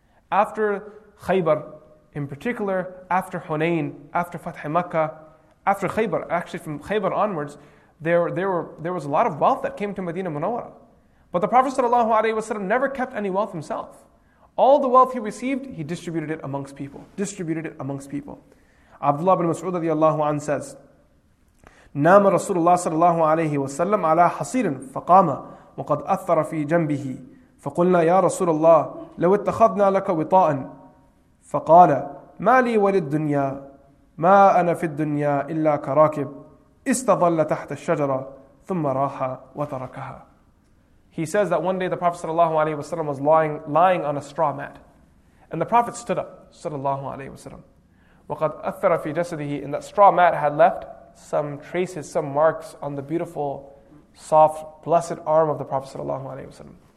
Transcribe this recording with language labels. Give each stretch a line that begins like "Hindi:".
English: After Khaybar in particular, after Hunayn, after Fath Makkah, after Khaybar, actually from Khaybar onwards, there was a lot of wealth that came to Medina Munawwara. But the Prophet sallallahu alayhi wa sallam never kept any wealth himself. All the wealth he received, he distributed it amongst people. Distributed it amongst people. Abdullah ibn Mas'ud radiallahu anhu says,
Arabic: نام رسول الله صلى الله عليه وسلم على حصير فقام وقد أثر في جنبه فقلنا يا رسول الله لو اتخذنا لك وطاء فقال ما لي وللدنيا ما أنا في الدنيا إلا كراكب استظل تحت الشجرة ثم راح وتركها.
English: He says that one day the Prophet
Arabic: صلى الله عليه وسلم was lying on a straw mat, and the Prophet stood up صلى الله عليه وسلم وقد أثر في جسده,
English: and that straw mat had left some traces, some marks on the beautiful, soft, blessed arm of the Prophet sallallahu alaihi wasallam.